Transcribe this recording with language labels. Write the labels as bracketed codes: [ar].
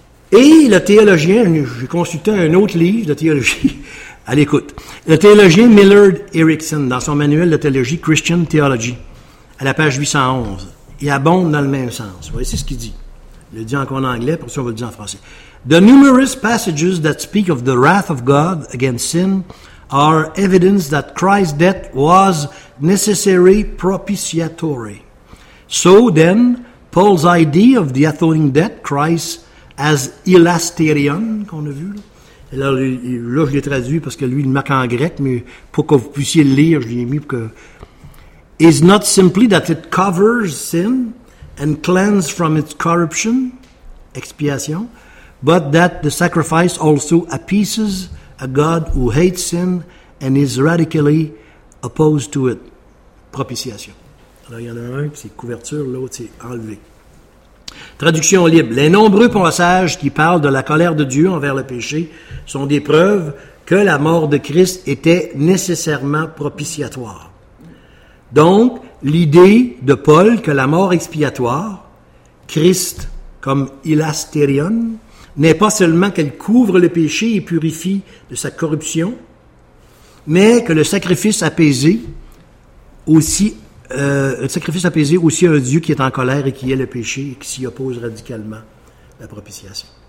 [fr] Et le théologien, j'ai consulté un autre livre de théologie, à l'écoute, le théologien Millard Erickson, dans son manuel de théologie Christian Theology, à la page 811, il abonde dans le même sens. Voyez, c'est ce qu'il dit. Il le dit encore en anglais, pour ça, on va le dire en français. [en] « The numerous passages that speak of the wrath of God against sin are evidence that Christ's death was necessary propitiatory. So then, Paul's idea of the atoning debt, Christ as elasterion, [fr] qu'on a vu. Alors, là, je l'ai traduit parce que lui, il marque en grec, mais pour que vous puissiez le lire, je l'ai mis pour que... [en] Is not simply that it covers sin and cleanses from its corruption, expiation, but that the sacrifice also appeases a God who hates sin and is radically opposed to it. Propitiation. [fr] Alors, il y en a un, c'est couverture, l'autre, c'est enlevé. Traduction libre. Les nombreux passages qui parlent de la colère de Dieu envers le péché sont des preuves que la mort de Christ était nécessairement propitiatoire. Donc, l'idée de Paul que la mort expiatoire, Christ comme elasterion, n'est pas seulement qu'elle couvre le péché et purifie de sa corruption, mais que le sacrifice apaisé aussi, le sacrifice apaisé aussi un Dieu qui est en colère et qui hait le péché et qui s'y oppose radicalement la propitiation.